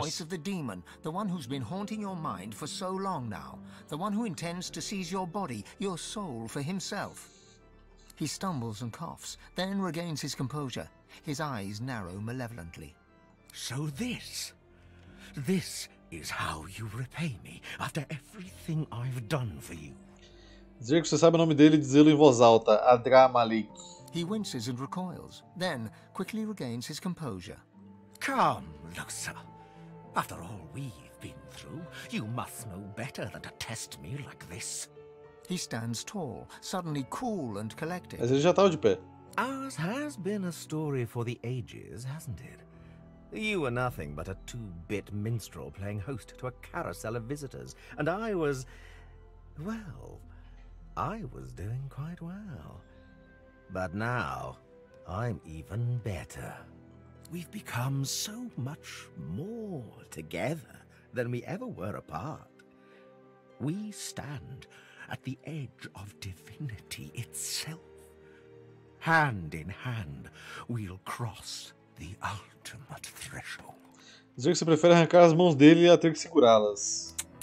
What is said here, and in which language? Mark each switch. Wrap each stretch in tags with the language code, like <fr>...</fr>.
<en>Voice of the demon, the one who's been haunting your mind for so long now, the one who intends to seize your body, your soul for himself. He stumbles and coughs, then regains his composure. His eyes narrow malevolently. So this is how you repay me after everything I've done for you.</en> <pt>Dizer que você sabe o nome dele e dizê-lo em voz alta. Adramalik.</pt> <en>He winces and recoils, then quickly regains his composure. Come, Lusa. After all we've been through, you must know better than to test me like this. He stands tall, suddenly cool and collected.</en> <pt>Mas ele já estava de pé.</pt> <en>Ours has been a story for the ages, hasn't it? You were nothing but a two-bit minstrel playing host to a carousel of visitors, and I was... well, I was doing quite well. But now, I'm even better. We've become so much more together than we ever were apart. We stand at the edge of divinity itself. Hand in hand, we'll cross the ultimate threshold.</en> <pt>Dizer que você prefere arrancar as mãos dele a ter que segurá-las.</pt>